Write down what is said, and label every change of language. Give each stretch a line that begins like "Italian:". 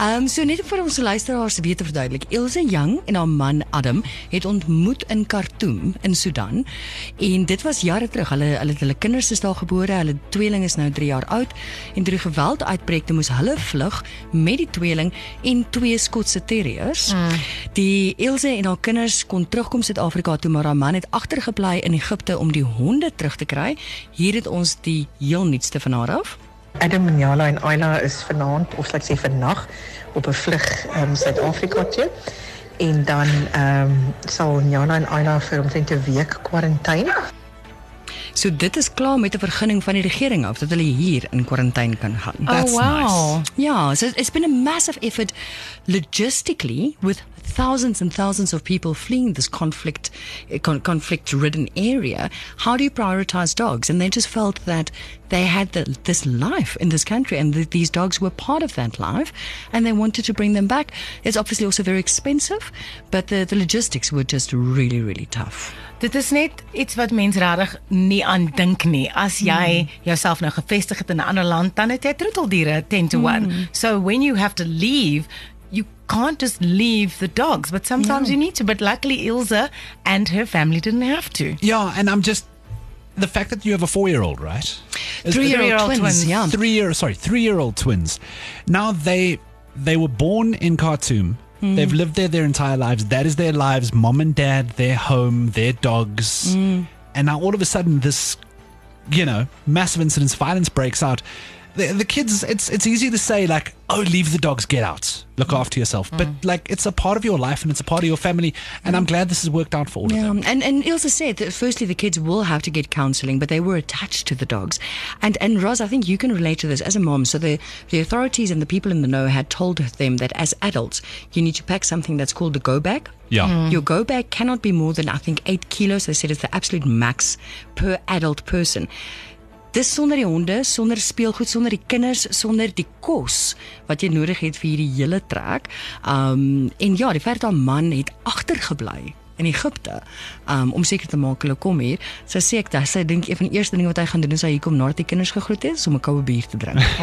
Afrikaans: So net vir ons luisteraars weet te verduidelik. Ilse Young en haar man Adam het ontmoet in Khartoum in Sudan. En dit was jare terug. Hulle het hulle kinders is daar gebore. Hulle tweeling is nou 3 jaar oud. En toe die geweld uitbreek, toe moes hulle vlug met die tweeling en 2 Skotse terriers. Die Ilse en haar kinders kon terugkom Suid-Afrika toe, maar haar man het agtergebly in Egipte om die honde terug te kry. Hier het ons die heel nuutste van haar af. Adam, Njala en Ayla is vanavond, of slechts even nacht, op een vlug Suid-Afrika toe. En dan sal Njala en Ayla vir omtrent 'n week quarantaine. So dit is klaar met 'n vergunning van die regering af, dat hulle hier in quarantaine kan gaan.
English: That's nice. Ja, so it's been a massive effort logistically with thousands and thousands of people fleeing this conflict-ridden area. How do you prioritize dogs? And they just felt that they had this life in this country and these dogs were part of that life and they wanted to bring them back. It's obviously also very expensive, but the logistics were just really, really tough.
Afrikaans: Dit is net iets wat mens rarig nie aan dink nie. As jy jouself nou gevestig het in 'n ander land, dan het jy troeteldiere 10-to-1.
English: So when you have to leave, you can't just leave the dogs, but sometimes you need to. But luckily, Ilse and her family didn't have to. Yeah, and I'm just... The fact that you have a 4-year-old, right? Three-year-old twins. Now, they were born in Khartoum. They've lived there their entire lives. That is their lives, mom and dad, their home, their dogs. And now all of a sudden this, you know, massive incidents, violence breaks out. The kids, it's easy to say like, oh, leave the dogs, get out, look after yourself. But like, it's a part of your life and it's a part of your family. And I'm glad this has worked out for all of them. And Ilse said that firstly, the kids will have to get counseling, but they were attached to the dogs. And Roz, I think you can relate to this as a mom. So the authorities and the people in the know had told them that as adults, you need to pack something that's called the go bag. Yeah. Your go bag cannot be more than, I think, 8 kilos. They said it's the absolute max per adult person.
Afrikaans: Dis sonder die honde, sonder speelgoed, sonder die kinders, sonder die kos wat jy nodig het vir hierdie hele trek. En ja, die feit dat man het agtergebly in Egipte om seker te maak hulle kom hier. Sy sê ek, sy dink een van die eerste dinge wat hy gaan doen is hy kom nadat die kinders gegroet het, om 'n koue bier te drink.